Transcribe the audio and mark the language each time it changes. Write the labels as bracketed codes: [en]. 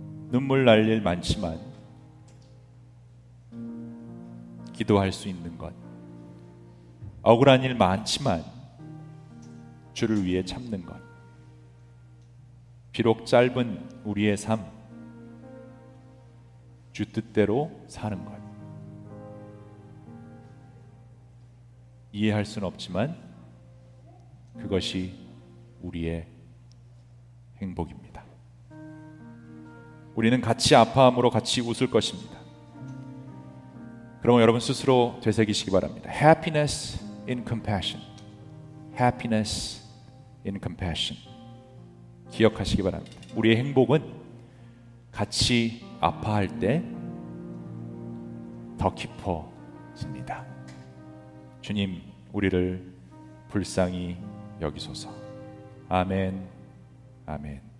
[ko] 눈물 날 일 많지만 기도할 수 있는 것, 억울한 일 많지만 주를 위해 참는 것, 비록 짧은 우리의 삶, 주 뜻대로 사는 것, 이해할 수는 없지만 그것이 우리의 행복입니다. 우리는 같이 아파함으로 같이 웃을 것입니다. 그럼 여러분 스스로 되새기시기 바랍니다. [en] Happiness in compassion. Happiness in compassion. [ko] 기억하시기 바랍니다. 우리의 행복은 같이 아파할 때 더 깊어집니다. 주님, 우리를 불쌍히 여기소서. 아멘. 아멘.